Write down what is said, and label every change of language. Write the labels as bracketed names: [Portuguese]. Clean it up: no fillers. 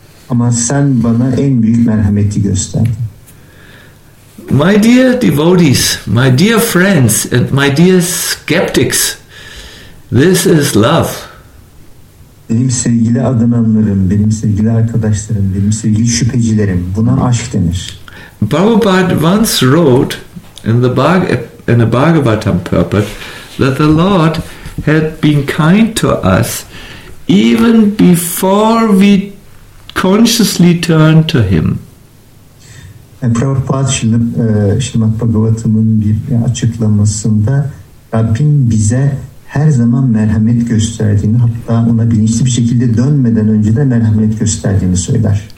[Turkish] Ama sen bana en büyük merhameti gösterdin. [English] My dear devotees, my dear friends, and my dear skeptics, this is love. [Turkish] Benim sevgili adananlarım, benim sevgili arkadaşlarım, benim sevgili şüphecilerim, buna aşk denir. [English] Prabhupada once wrote in a Bhagavatam purport that the Lord had been kind to us even before we consciously turned to Him. [Turkish] And Prabhupada Shrimad Bhagavatam'ın bir açıklamasında Rabbim bize her zaman merhamet gösterdiğini, hatta ona bilinçli bir şekilde dönmeden önce de merhamet gösterdiğini söyler.